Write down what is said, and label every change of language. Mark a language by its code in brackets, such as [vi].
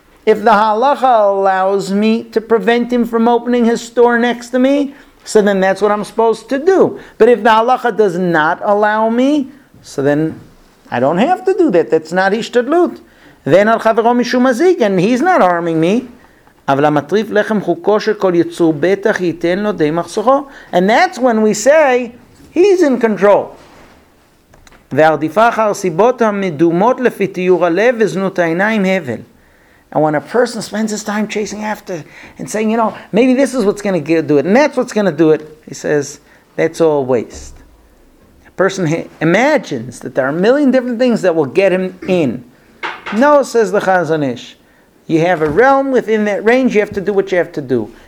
[en] If the halacha allows me to prevent him from opening his store next to me, so then that's what I'm supposed to do. But if the halacha does not allow me, so then I don't have to do that. That's not hishtadlut. Then [he] al chaverom mishum azik, [en] and he's not harming me. [he] אבל המטריף לחם חוקו של כל יצור בטח ייתן לו די מחסוכו. [en] And that's when we say, he's in control. [he] והרדיפה אחר סיבות המדומות לפי תיאור הלב וזנות העיניים הבל. [en] And when a person spends his time chasing after and saying, you know, maybe this is what's going to do it, and that's what's going to do it, he says, that's all waste. A person imagines that there are a million different things that will get him in. No, says the Chazon Ish. You have a realm within that range, you have to do what you have to do.